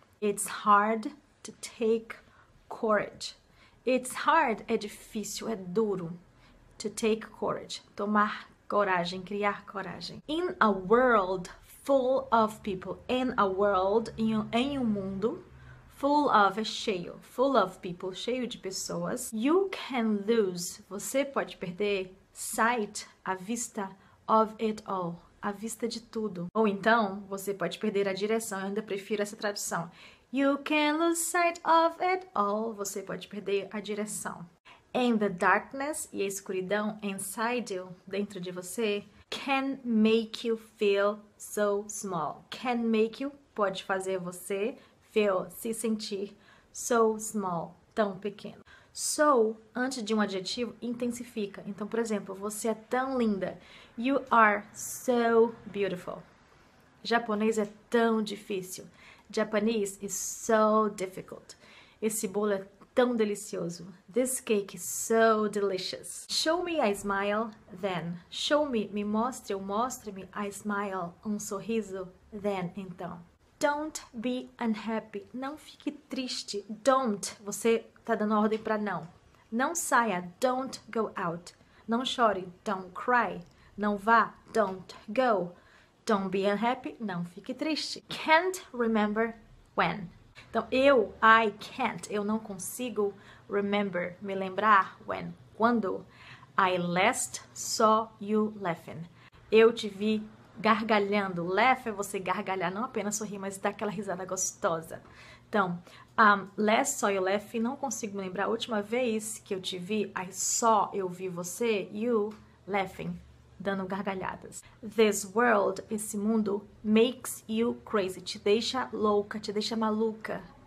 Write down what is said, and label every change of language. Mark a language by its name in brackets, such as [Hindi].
[English] It's hard to take courage. It's hard, [Portuguese] é difícil, é duro. [English] To take courage, [Portuguese] tomar coragem, criar coragem. [English] In a world full of people. In a world, [Portuguese] em um mundo. [English] Full of [Portuguese] é cheio, [English] full of people, [Portuguese] cheio de pessoas. [English] You can lose, [Portuguese] você pode perder [English] sight, [Portuguese] a vista [English] of it all, [Portuguese] a vista de tudo. Ou então, você pode perder a direção, eu ainda prefiro essa tradução. [English] You can lose sight of it all, [Portuguese] você pode perder a direção. [English] In the darkness, [Portuguese] e a escuridão [English] inside you, [Portuguese] dentro de você, [English] can make you feel so small. Can make you, [Portuguese] pode fazer você. [English] Feel, [Portuguese] se sentir [English] so small, [Portuguese] tão pequeno. So, antes de um adjetivo, intensifica. Então, por exemplo, você é tão linda. [English] You are so beautiful. [Portuguese] Japonês é tão difícil. [English] Japanese is so difficult. [Portuguese] Esse bolo é tão delicioso. [English] This cake is so delicious. Show me a smile, then. Show me [Portuguese] mostre ou mostre-me [English] a smile, [Portuguese] um sorriso, [English] then, [Portuguese] então. [English] Don't be unhappy. [Portuguese] Não fique triste. [English] Don't. [Portuguese] Você tá dando ordem para não. Não saia. [English] Don't go out. [Portuguese] Não chore. [English] Don't cry. [Portuguese] Não vá. [English] Don't go. Don't be unhappy. [Portuguese] Não fique triste. [English] Can't remember when. [Portuguese] Então eu, [English] I can't. [Portuguese] Eu não consigo [English] remember, [Portuguese] me lembrar [English] when. [Portuguese] Quando [English] I last saw you laughing. [Portuguese] Eu te vi gargalhando. Laugh é você gargalhar, não apenas sorrir, mas dar aquela risada gostosa. Então, [English] last saw you laugh, [Portuguese] não consigo me lembrar a última vez que eu te vi, [English] I saw, [Portuguese] eu vi você, [English] you laughing, [Portuguese] dando gargalhadas. [English] This world, [Portuguese] esse mundo, [English] makes you crazy, [Portuguese] te deixa louca, te deixa maluca.